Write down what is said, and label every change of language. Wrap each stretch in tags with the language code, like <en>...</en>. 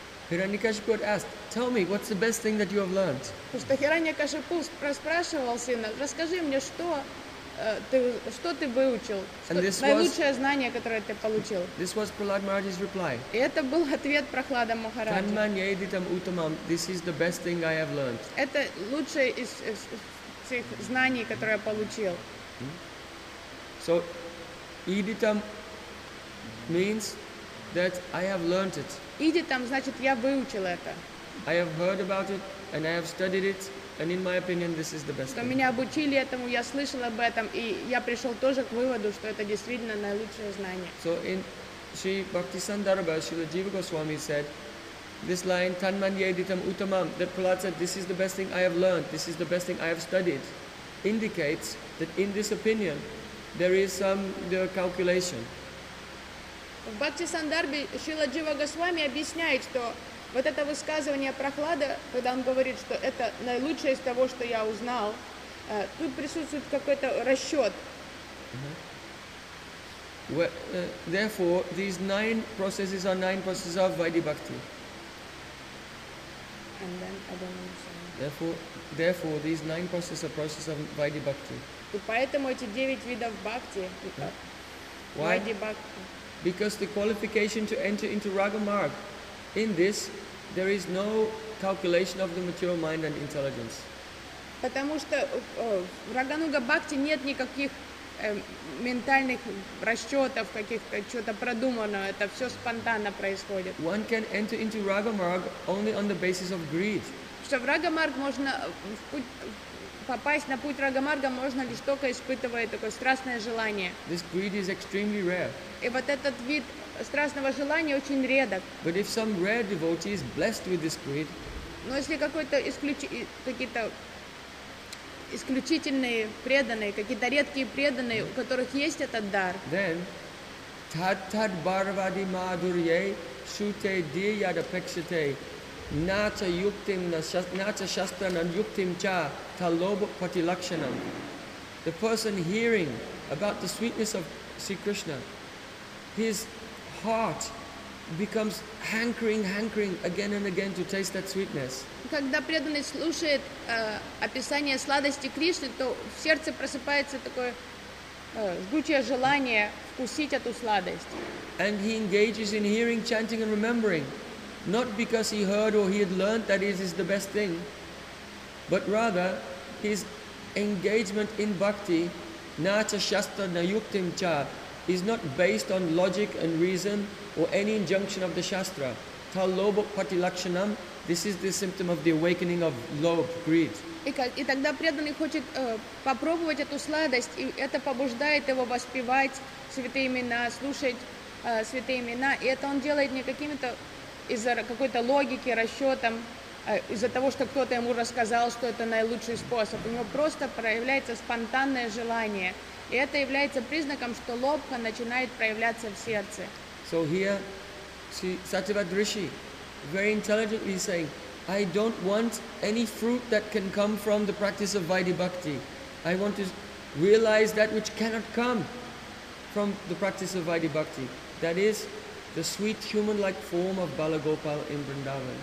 <en>Хираньякашипу asked, tell me, what's the best thing that you have learned?</en> <ru>Просто Хираньякашипу расспрашивал сына, расскажи мне, что ты выучил, наилучшее знание, которое ты получил.</ru> <en>This was Prahlad Maharaj's reply.</en> <ru>И это был ответ Прохлада Махараджа.</ru> <sa>Tanman yeditam utamam,</sa> <en>this is the best thing I have learned.</en> <ru>Это лучшее из всех знаний, которые я получил.</ru> <en>So, yeditam means that I have learned it.</en> <ru>Идитам значит я выучил это.</ru> <en>I have heard about it and I have studied it and in my opinion this is the best.</en> <ru>Что меня обучили этому, я слышал об этом и я пришел тоже к выводу, что это действительно наилучшее знание.</ru> <en>So in Sri Bhaktisandara Bhai, Srila Jiva Goswami said this line,</en> <sa>Tanman yeditam utamam,</sa> <en>that Prahlad said this is the best thing I have learned, this is the best thing I have studied, indicates that in this opinion there is some the calculation.</en> <ru>В Бхактисандарбе Шрила Джива Госвами объясняет, что вот это высказывание Прохлада, когда он говорит, что это наилучшее из того, что я узнал, тут присутствует какой-то расчет.</ru> <en>Well, therefore, these nine processes are nine processes of Vaidhi Bhakti. And then, I don't understand. Therefore, these nine processes are processes of Vaidhi Bhakti.</en> <ru>И поэтому эти девять видов Бхакти, Vaidhi Bhakti.</ru> <en>Because the qualification to enter into Raga Marg, in this, there is no calculation of the material mind and intelligence.</en> <ru>Потому что в Рагануга Бхакти нет никаких ментальных расчетов, каких-то что-то продуманного. Это все спонтанно происходит.</ru> <en>One can enter into Raga Marg only on the basis of greed.</en> <ru>Что в Рага Марг можно попасть на путь Рагамарга можно лишь только испытывая такое страстное желание.</ru> <en>This greed is extremely rare.</en> <ru>И вот этот вид страстного желания очень редок.</ru> <en>But if some rare devotee is blessed with this greed,</en> <ru>но если какой-то какие-то исключительные преданные, какие-то редкие преданные, у которых есть этот дар,</ru> <en>then</en> <sa>tad tad barvadi madurye shute diyadapekshate nata yuktim nata shastranan yuktim cha talobo patilakshanam.</sa> <en>The person hearing about the sweetness of Sri Krishna, his heart becomes hankering again and again to taste that sweetness.</en> <ru>Когда преданный слушает описание сладости Кришны, то в сердце просыпается такое жгучее желание вкусить эту сладость.</ru> <en>And he engages in hearing, chanting and remembering, not because he heard or he had learned that it is the best thing, but rather his engagement in bhakti,</en> <sa>na cha shastra na yuktim cha,</sa> <en>is not based on logic and reason or any injunction of the shastra.</en> <sa>Talobo patilakshanam,</sa> <en>this is the symptom of the awakening of lobe, greed.</en> <ru>И тогда преданный хочет попробовать эту сладость, и это побуждает его воспевать святые имена, слушать святые имена, и это он делает не какими-то из-за какой-то логики, расчетом, из-за того, что кто-то ему рассказал, что это наилучший способ. У него просто проявляется спонтанное желание. И это является признаком, что лобха начинает проявляться в сердце.</ru> <en>So here, Satyavad Rishi, very intelligently saying, I don't want any fruit that can come from the practice of Vaidhi Bhakti. I want to realize that which cannot come from the practice of Vaidhi Bhakti. That is the sweet human-like form of Balagopal in Vrindavan.</en>